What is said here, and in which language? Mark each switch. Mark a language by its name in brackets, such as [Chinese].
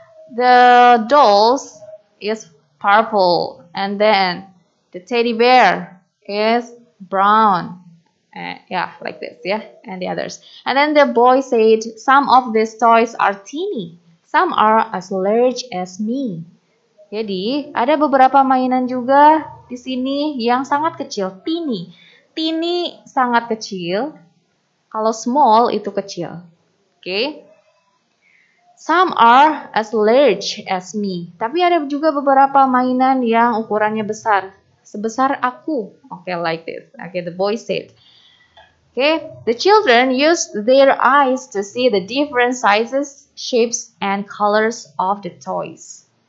[English] The dolls is purple, and then the teddy bear is brown. Yeah, like this, yeah, and the others. And then the boy said, some of these toys are teeny. Some are as large as me. [Indonesian] Jadi, ada beberapa mainan juga di sini yang sangat kecil, teeny. Teeny sangat kecil. Kalau small itu kecil. Oke. [English] Some are as large as me. [Indonesian] Tapi ada juga beberapa mainan yang ukurannya besar. Sebesar aku. Oke, okay, [English] like this. [Indonesian] Oke, okay, [English] the boy said. Okay, the children used their eyes to see the different sizes, shapes, and colors of the toys.